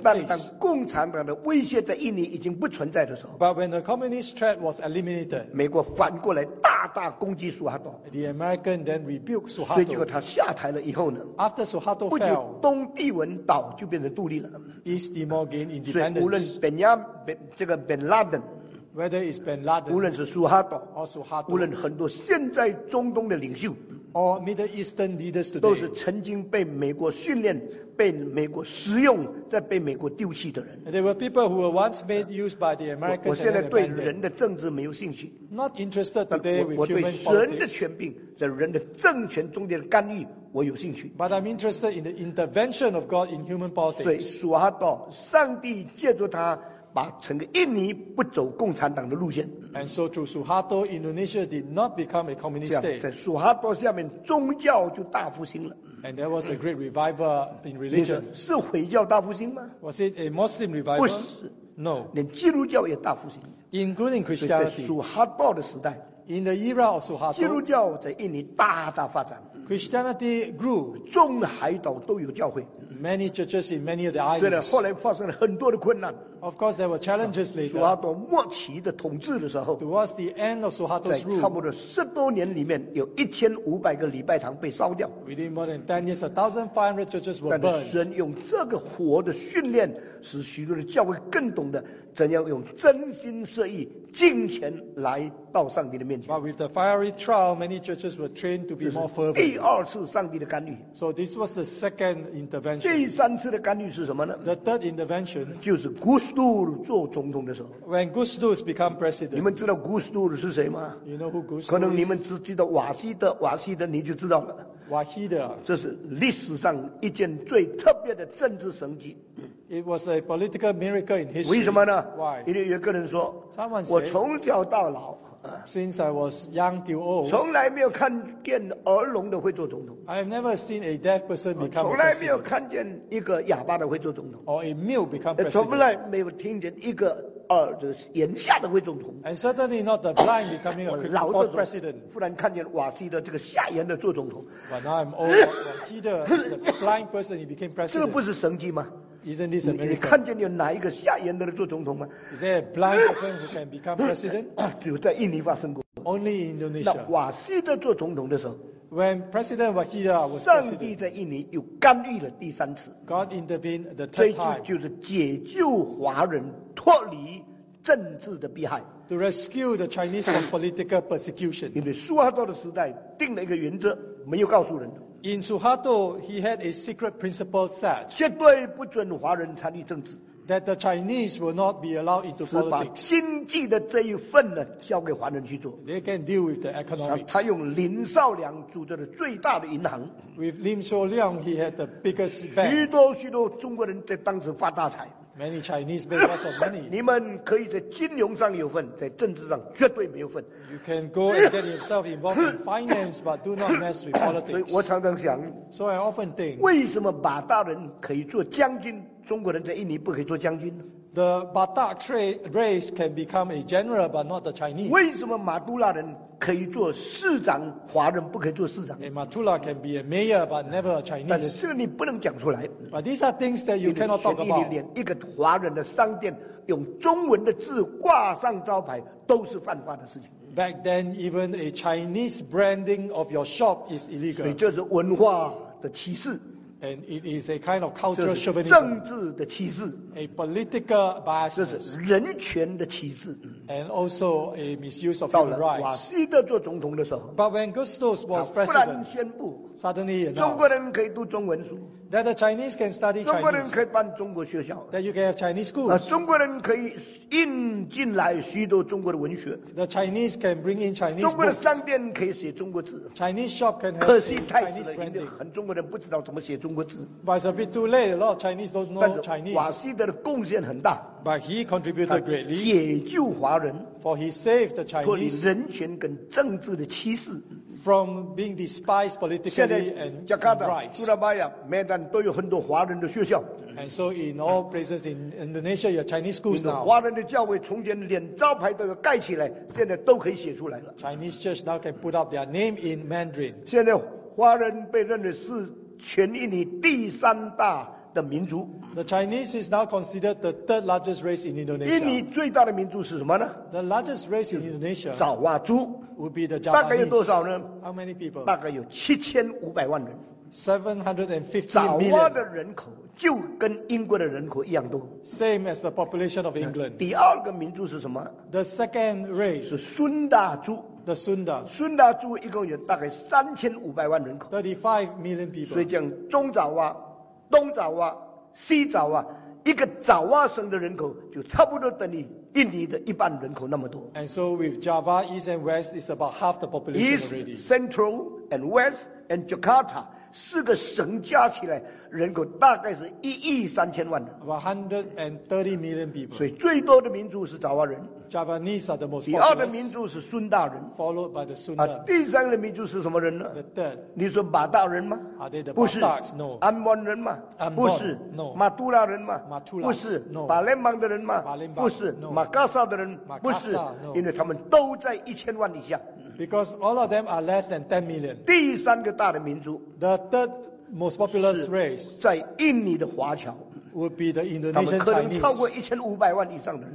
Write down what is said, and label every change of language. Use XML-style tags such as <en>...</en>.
<en>place.</en> <zh>但当共产党的威胁在印尼已经不存在的时候</zh> <en>，But when the communist threat was eliminated,</en> <zh>美国反过来大。大攻击苏哈多</zh> <en>，The American then rebuked Suharto。</en> <zh>所以结果他下台了以后呢</zh> <en>，After Suharto fell，</en> <zh>不久东帝汶岛就变成独立了</zh> <en>，East Timor gained independence。</en> <zh>所以无论Bin Laden，</zh> <en>whether it's Bin Laden，</en> <zh>无论是苏哈多</zh> <en>，or Suharto，</en> <zh>无论很多现在中东的领袖</zh> <en>，or Middle Eastern leaders today，</en> <zh>都是曾经被美国训练、被美国使用、在被美国丢弃的人。</zh> <en>There were people who were once made use by the Americans.</en> <zh>我现在对人的政治没有兴趣。</zh> <en>Not interested today with human politics.</en> <zh>我对神的权柄、在人的政权中间的干预，我有兴趣。</zh> <en>But I'm interested in the intervention of God in human politics.</en> <zh>所以苏哈多，上帝借助他，把整个印尼不走共产党的路线。</zh> <en>And so through Suharto, Indonesia did not become a communist state.</en> <zh>在苏哈多下面，宗教就大复兴了。</zh> <en>And there was a great revival in religion.</en> <zh>是回教大复兴吗</zh> <en>？Was it a Muslim revival?</en> <zh>不是</zh> <en>，No.</en> <zh>连基督教也大复兴</zh> <en>，including Christianity.</en> <zh>在苏哈多的时代</zh> <en>，in the era of Suharto,</en> <zh>基督教在印尼大大发展</zh> <en>，Christianity grew.</en> <zh>中海岛都有教会</zh> <en>，many churches in many of the islands.</en> <zh>虽然后来发生了很多的困难</zh> <en>，Of course there were challenges later.</en> <zh>苏哈多末期的统治的时候</zh> <en>，towards the end of Suharto's rule.</en> <zh>在差不多十多年里面，有1500个礼拜堂被烧掉。</zh> <en>Within more than 10 years, 1,500 churches were burned.</en> <zh>但是神用这个火的训练，使许多的教会更懂得怎样用真心设意、敬虔来到上帝的面前。</zh> <en>But with the fiery trial, many churches were trained to be more fervent.</en> <zh>第二次上帝的干预。</zh> <en>So this was the second intervention.</en> <zh>第三次的干预是什么呢</zh> <en>？The third intervention</en> <zh>就是 Gusdur 做总统的时候。</zh> <en>When Gusdur become president.</en> <zh>你们知道 Gusdur 是谁吗</zh> <en>？You know who Gusdur is?</en> <zh>可能你们只记得瓦西德，你就知道了。</zh> <en>Wahida,</en> <zh>这是历史上一件最特别的政治神迹。</zh> <en>It was a political miracle in history.</en> <zh>为什么呢</zh> <en>？Why?</en> <zh>因为有个人说，</zh> <en>Someone said,</en> <zh>我从小到老</zh> <en>，since I was young till old，</en> <zh>从来没有看见耳聋的会做总统。</zh> <en>I have never seen a deaf person become president.</en> <zh>从来没有看见一个哑巴的会做总统。</zh> <en>Or a mute become president.</en> <zh>从来没有听见一个。眼下的会总统</zh> <en>，and certainly not the blind becoming a old president。</en> <zh>忽然看见瓦西德这个瞎眼的做总统</zh> <en>，but now I'm old. Peter is a blind person. He became president.</en> <zh>这个不是神迹吗</zh> <en>？Isn't this a miracle？</en> <zh>你看见有哪一个瞎眼的做总统吗</zh> <en>？Is there a blind person who can become president？</en> <zh>只有在印尼发生过</zh> <en>，only in Indonesia。</en> <zh>那瓦西德做总统的时候</zh> <en>，when President Wahida was president，</en> <zh>上帝在印尼又干预了第三次</zh> <en>，God intervened the third time。</en> <zh>这就是解救华人。脱离政治的迫害</zh> <en>，to rescue the Chinese from political persecution。</en> <zh>因为苏哈多的时代定了一个原则，没有告诉人。</zh> <en>In Suharto, he had a secret principle set，</en> <zh>绝对不准华人参与政治。</zh> <en>that the Chinese will not be allowed into politics.</en> <zh>是把经济的这一份呢交给华人去做。</zh> <en>They can deal with the economics.</en> <zh>他用林少良组织的最大的银行。</zh> <en>With Lim Shou Liang, he had the biggest bank.</en> <zh>许多许多中国人在当时发大财。</zh> <en>Many Chinese made lots of money.</en> <zh>你们可以在金融上有份，在政治上绝对没有份。</zh> <en>You can go and get yourself involved in finance, but do not mess with politics.</en> <zh>所以我常常想</zh> <en>，So I often think，</en> <zh>为什么马大人可以做将军，中国人在印尼不可以做将军</zh> <en>？The Batak race can become a general, but not the Chinese.</en> <zh>为什么马都拉人可以做市长，华人不可以做市长</zh> <en>？And Matula can be a mayor, but never a Chinese.</en> <zh>但是你不能讲出来。</zh> <en>But these are things that you cannot talk about.</en> <zh>连一个华人的商店用中文的字挂上招牌都是犯法的事情。</zh> <en>Back then, even a Chinese branding of your shop is illegal.</en> <zh>所以这是文化的歧视。</zh> <en>And it is a kind of cultural chauvinism.</en> <zh>政治的歧视。</zh> <en>A political bias.</en> <zh>这是人权的歧视。</zh> <en>And also a misuse of human rights.</en> <zh>到了瓦西德做总统的时候。</zh> <en>But when Gustos was president,</en> <zh>他忽然宣布</zh> <en>suddenly announced,</en> <zh>中国人可以读中文书。</zh> <en>That the Chinese can study Chinese.</en> <zh>中国人可以办中国学校。</zh> <en>That you can have Chinese schools.</en> <zh>中国人可以引进来许多中国的文学。</zh> <en>The Chinese can bring in Chinese books.</en> <zh>中国的商店可以写中国字。</zh> <en>Chinese shop can have Chinese branding.</en> <zh>可惜太迟了，因为很中国人不知道怎么写中国字。</zh> <en>But it's a bit too late. A lot of Chinese don't know Chinese.</en> <zh>瓦西德的贡献很大。</zh> <en>But he contributed greatly.</en> <zh>解救华人。</zh> <en>For he saved the Chinese.</en> <zh>脱离人权跟政治的歧视。</zh> <en>From being despised politically and rights.</en> <zh>现在 Jakarta, Surabaya, Medan 都有很多华人的学校。</zh> <en>And so in all places in Indonesia, your Chinese schools now.</en> <zh>华人的教会从前连招牌都要盖起来，现在都可以写出来了。</zh> <en>Chinese church now can put up their name in Mandarin.</en> <zh>现在华人被认为是全印尼第三大的民族。</zh> <en>The Chinese is now considered the third largest race in Indonesia.</en> <zh>印尼最大的民族是什么呢</zh> <en>？The largest race in Indonesia.</en> <zh>爪哇族。</zh> <en>Would be the Japanese.</en> <zh>大概有多少呢</zh> <en>？How many people?</en> <zh>大概有7500万人。</zh> <en>750 million.</en> <zh>爪哇的人口就跟英国的人口一样多。</zh> <en>Same as the population of England.</en> <zh>第二个民族是什么</zh> <en>？The second race</en> <zh>是孙大族。</zh> <en>The Sunda.</en> <zh>孙大族一共有大概3500万人口。</zh> <en>35 million people.</en> <zh>所以讲中爪哇、东爪哇。西爪哇一个爪哇省的人口就差不多等于印尼的一半人口那么多。</zh> <en>And so with Java, East and West, it's about half the population East, already. East, Central, and West, and Jakarta,</en> <zh>四个省加起来人口大概是1.3亿人。</zh> <en>About 130 million people.</en> <zh>所以最多的民族是爪哇人。</zh> <en>Javanese are the most populous.</en> <zh>第二的民族是孙大人。</zh> <en>Followed by the Sunda.</en> <zh>第三的民族是什么人呢</zh> <en>？The third.</en> <zh>你说马大人吗</zh> <en>？Are they the</en> <zh>Bataks? 不是。</zh> <en>No.</en> <zh>安邦人吗</zh> <en>？Anbon.</en> <zh>不是。</zh> <en>No.</en> <zh>马杜拉人吗</zh> <en>？Matulas.</en> <zh>不是。</zh> <en>No.</en> <zh>巴林邦的人吗</zh> <en>？Balimbang.</en> <zh>不是。</zh> <en>No.</en> <zh>马加萨的人</zh> <en>Makassar,</en> <zh>不是。</zh> <en>No.</en> <zh>因为他们都在1000万以下。</zh> <en>Because all of them are less than 10 million.</en> <zh>第三个大的民族。</zh> <en>The third most populous race.</en> <zh>在印尼的华侨。</zh> <en>Would be the Indonesian Chinese.</en> <zh>他们可能超过1500万以上的人。</zh>